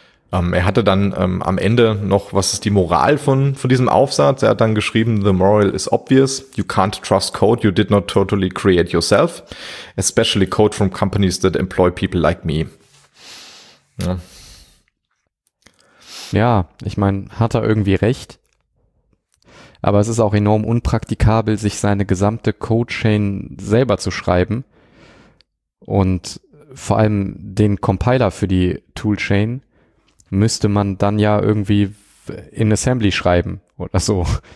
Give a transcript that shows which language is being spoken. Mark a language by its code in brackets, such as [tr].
[de] Er hatte dann am Ende noch, was ist die Moral von diesem Aufsatz? Er hat dann geschrieben, [en] the moral is obvious. You can't trust code you did not totally create yourself. Especially code from companies that employ people like me. [de] Ja, ich meine, hat er irgendwie recht. Aber es ist auch enorm unpraktikabel, sich seine gesamte Codechain selber zu schreiben. Und vor allem den Compiler für die Toolchain müsste man dann ja irgendwie in Assembly schreiben oder so.